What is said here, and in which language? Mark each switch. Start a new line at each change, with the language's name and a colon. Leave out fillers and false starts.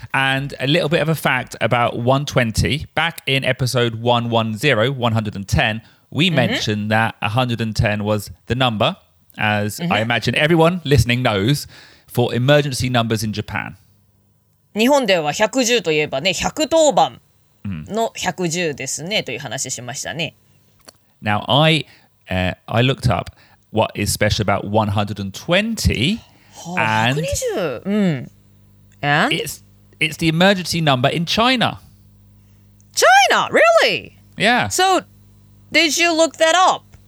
English: And a little bit of a fact about 120. Back in episode 110, 110, we mentioned that 110 was the number, as I imagine everyone listening knows, for emergency numbers in Japan.
Japanese: 日本では110といえばね、110番。の110ですねという話しましたね。
English: Now I looked up what is special about 120 and 120. And it's the emergency number in China. China, really? Yeah. So did you look that up?